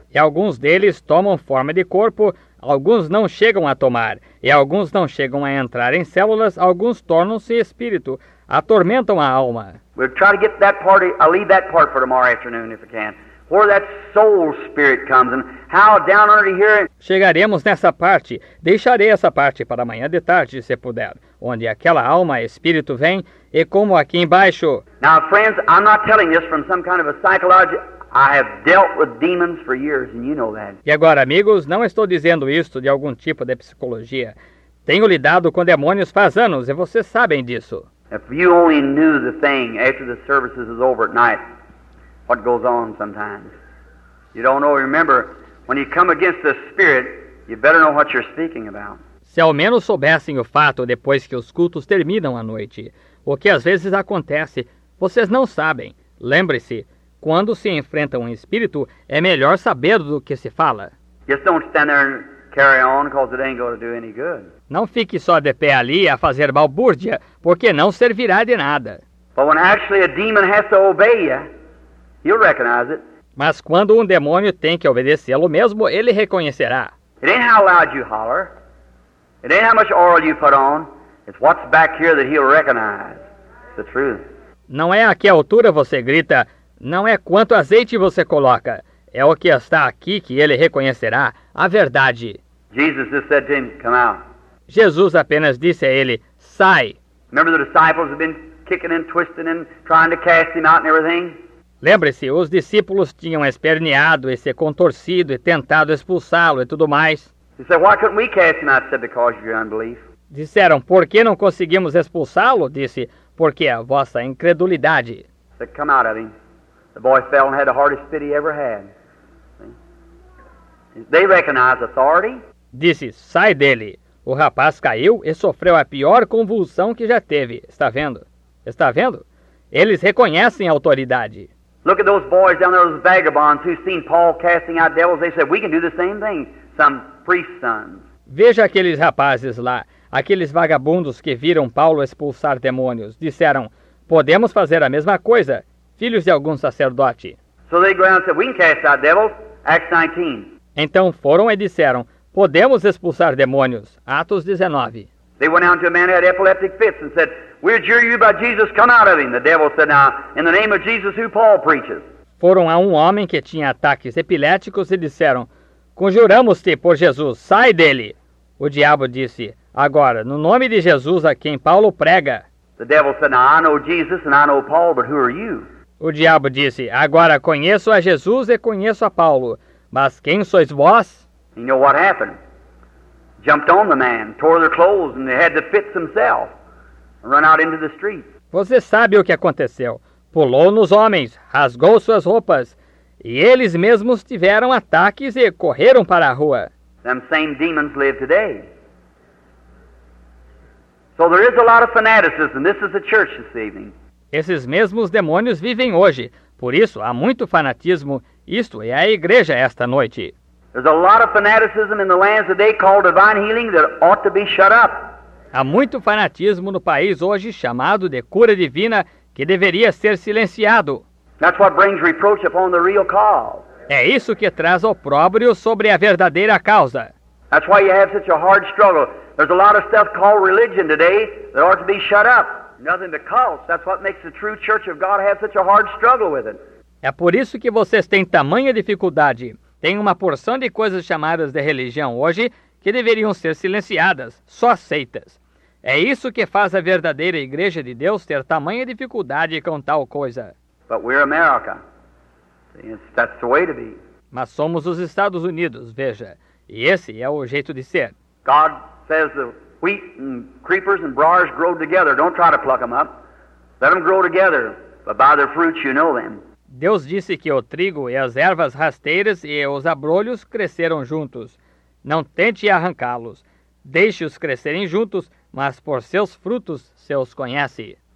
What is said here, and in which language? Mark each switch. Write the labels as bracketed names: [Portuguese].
[Portuguese] E alguns deles tomam forma de corpo, alguns não chegam a tomar. E alguns não chegam a entrar em células, alguns tornam-se espírito, atormentam a alma. [English] We'll try to get that part, I'll leave that part for tomorrow afternoon if I can. Where that soul spirit comes and how down under here. [Portuguese] Chegaremos nessa parte, deixarei essa parte para amanhã de tarde, se puder. Onde aquela alma, espírito vem, e como aqui embaixo. [English] Now, friends, I'm not telling this from some kind of a psychology. I have dealt with demons for years, and you know that. [Portuguese] E agora, amigos, não estou dizendo isto de algum tipo de psicologia. Tenho lidado com demônios faz anos, e vocês sabem disso. [English] If you only knew the thing after the services is over at night, what goes on sometimes. You don't know, remember, when you come against the spirit, you better know what you're speaking about. [Portuguese] Se ao menos soubessem o fato depois que os cultos terminam à noite. O que às vezes acontece, vocês não sabem. Lembre-se, quando se enfrenta um espírito, é melhor saber do que se fala. [English] Just don't stand there and carry on, because it ain't going to do any good. [Portuguese] Não fique só de pé ali a fazer balbúrdia, porque não servirá de nada. [English] But when actually a demon has to obey you, he'll recognize it. [Portuguese] Mas quando um demônio tem que obedecê-lo mesmo, ele reconhecerá. [English] It ain't how loud you holler. It ain't how much oil you put on. It's what's back here that he'll recognize. It's the truth. [Portuguese] Não é a que altura você grita. Não é quanto azeite você coloca. É o que está aqui que ele reconhecerá. A verdade. [English] Jesus just said to him, come out. [Portuguese] Jesus apenas disse a ele, sai. [English] Remember the disciples have been kicking and twisting and trying to cast him out and everything? [Portuguese] Lembre-se, os discípulos tinham esperneado e se contorcido e tentado expulsá-lo e tudo mais. [English] He said, why couldn't we cast him out? I said, because of your unbelief. [Portuguese] Disseram, por que não conseguimos expulsá-lo? Disse, porque a vossa incredulidade. [English] He said, come out of him. The boy fell and had the hardest fit he ever had. They recognize authority. [Portuguese] Disse, sai dele. O rapaz caiu e sofreu a pior convulsão que já teve. Está vendo? Está vendo? Eles reconhecem a autoridade. [English] Look at those boys down there, those vagabonds who've seen Paul casting out devils. They said, we can do the same thing. Some priest's sons. [Portuguese] Veja aqueles rapazes lá, aqueles vagabundos que viram Paulo expulsar demônios. Disseram, podemos fazer a mesma coisa, filhos de algum sacerdote. [English] So they go out and said, we can cast out devils, Acts 19. [Portuguese] Então foram e disseram, podemos expulsar demônios, Atos 19. [English] They went out to a man who had epileptic fits and said, we adjure you by Jesus, come out of him. The devil said, now, in the name of Jesus, who Paul preaches. [Portuguese] Foram a um homem que tinha ataques epiléticos e disseram, conjuramos-te por Jesus, sai dele. O diabo disse, agora, no nome de Jesus a quem Paulo prega. [English] The devil said, now I know Jesus and I know Paul, but who are you? [Portuguese] O diabo disse, agora conheço a Jesus e conheço a Paulo, mas quem sois vós? [English] You know what happened? jumped on the man, tore their clothes, and they had to fit themselves and run out into the street. [Portuguese] Você sabe o que aconteceu. Pulou nos homens, rasgou suas roupas, e eles mesmos tiveram ataques e correram para a rua. [English] Them same demons live today. So there is a lot of fanaticism. This is the church this evening. [Portuguese] Esses mesmos demônios vivem hoje. Por isso, há muito fanatismo. Isto é a igreja esta noite. [English] There's a lot of fanaticism in the lands today called divine healing that ought to be shut up. [Portuguese] Há muito fanatismo no país hoje chamado de cura divina que deveria ser silenciado. [English] That's what brings reproach upon the real cause. [Portuguese] É isso que traz opróbrio sobre a verdadeira causa. [English] That's why you have such a hard struggle. There's a lot of stuff called religion today that ought to be shut up. Nothing but cults. That's what makes the true church of God have such a hard struggle with it. [Portuguese] É por isso que vocês têm tamanha dificuldade. Tem uma porção de coisas chamadas de religião hoje que deveriam ser silenciadas, só aceitas. É isso que faz a verdadeira igreja de Deus ter tamanha dificuldade com tal coisa. [English] But we're America. That's the way to be. [Portuguese] Mas somos os Estados Unidos, veja. E esse é o jeito de ser. [English] God says the wheat and creepers and briars grow together. Don't try to pluck them up. Let them grow together. But by their fruits you know them. [Portuguese] Deus disse que o trigo e as ervas rasteiras e os abrolhos cresceram juntos. Não tente arrancá-los. Deixe-os crescerem juntos, mas por seus frutos se os conhece.